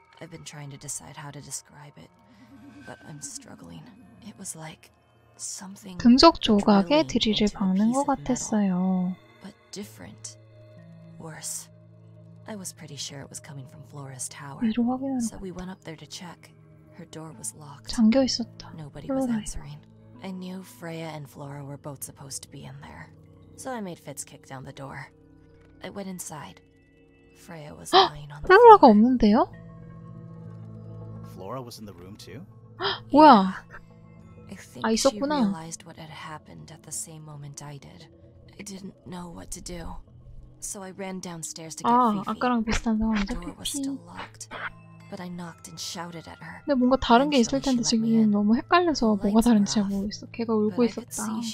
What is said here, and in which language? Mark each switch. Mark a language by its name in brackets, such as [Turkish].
[English] I've been trying to decide how to describe it, but I'm struggling. It was like something [Korean] 금속 조각에 드릴을 박는 것 같았어요. [English] But different. Worse. I was pretty sure it was coming from Flora's tower. [Korean] 위로 확인하는 [English] So we went up there to check. Her door was locked. [Korean] 잠겨 있었다. [English] Nobody was answering. I knew Freya and Flora were both supposed to be in there. So I made Fitz kick down the door. I went inside. Freya was lying on the floor. [Korean] 플로라가 없는데요? [English] Flora was in the room too? [Korean] 뭐야? [English] I think she realized what had happened at the same moment I did. I didn't know what to do. So I ran downstairs to get Fifi. [Korean] 아까랑 비슷한 상황이죠? [English] The door was still locked. But I knocked and shouted at her. [Korean] 근데 뭔가 다른 게 있을 텐데 지금 너무 헷갈려서 뭐가 다른지 잘 모르겠어. 걔가 울고 있었다.